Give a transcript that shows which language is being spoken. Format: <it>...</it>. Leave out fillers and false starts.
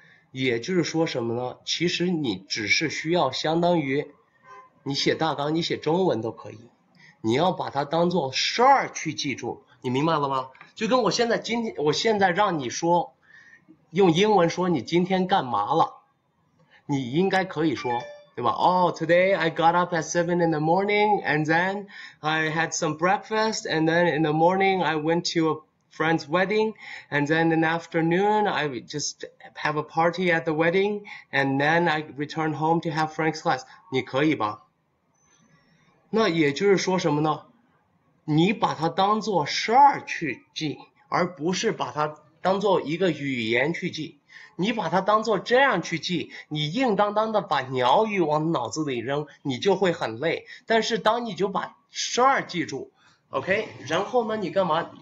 <zh>也就是说什么呢？其实你只是需要相当于你写大纲，你写中文都可以，你要把它当做事儿去记住，你明白了吗？就跟我现在让你说，用英文说你今天干嘛了，你应该可以说。对吧？</zh> <en>哦，today I got up at 7 in the morning and then I had some breakfast and then in the morning I went to a friend's wedding and then in the afternoon I just have a party at the wedding and then I returned home to have Frank's class。</en> <zh>你可以吧？那也就是说什么呢？你把它当做事儿去记，而不是把它当做一个语言去记。你把它当做这样去记，你硬当当的把鸟语往脑子里扔，你就会很累。但是当你就把事儿记住，OK，然后呢，你干嘛？</zh>